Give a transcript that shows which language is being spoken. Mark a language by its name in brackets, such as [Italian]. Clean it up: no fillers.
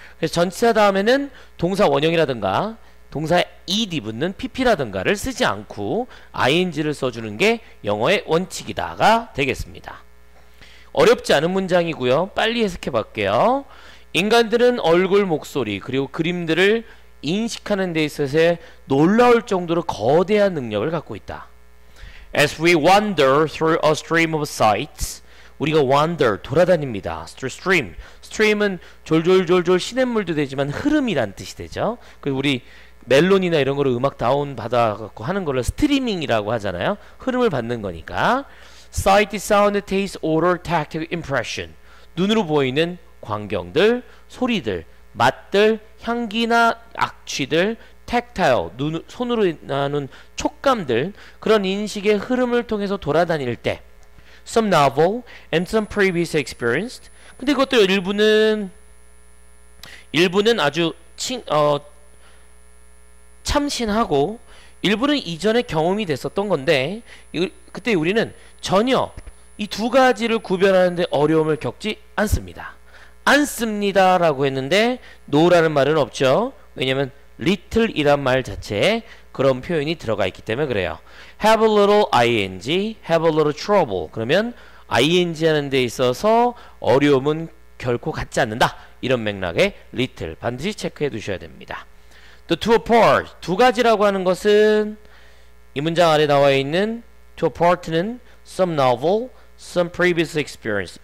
[Korean] 그래서 전치사 다음에는 동사 원형이라든가 동사에 ed 붙는 pp라든가를 쓰지 않고 ing를 써주는 게 영어의 원칙이다가 되겠습니다. 어렵지 않은 문장이고요. 빨리 해석해볼게요. 인간들은 얼굴, 목소리, 그리고 그림들을 인식하는 데 있어서 놀라울 정도로 거대한 능력을 갖고 있다. [English] As we wander through a stream of sights, [Korean] 우리가 wander, 돌아다닙니다. Stream, stream은 졸졸졸졸 시냇물도 되지만 흐름이란 뜻이 되죠. 그리고 우리 멜론이나 이런 거를 음악 다운받아서 하는 걸로 스트리밍이라고 하잖아요. 흐름을 받는 거니까. [English] Sight, sound, taste, odor, tactile impression, [Korean] 눈으로 보이는 광경들, 소리들, 맛들, 향기나 악취들, 택타요, 손으로 나는 촉감들, 그런 인식의 흐름을 통해서 돌아다닐 때 [English] some novel and some previous experienced. [Korean] 근데 그것들 일부는 아주 참신하고 일부는 이전에 경험이 됐었던 건데 그때 우리는 전혀 이 두 가지를 구별하는 데 어려움을 겪지 않습니다. 안씁니다 라고 했는데 no라는 말은 없죠. 왜냐면 little 이란 말 자체에 그런 표현이 들어가 있기 때문에 그래요. [English] have a little ing, have a little trouble. [Korean] 그러면 ing 하는 데 있어서 어려움은 결코 갖지 않는다. 이런 맥락에 little 반드시 체크해 두셔야 됩니다. [English] The two apart, [Korean] 두 가지라고 하는 것은 이 문장 아래 나와 있는 two apart는 [English] some novel, some previous experience.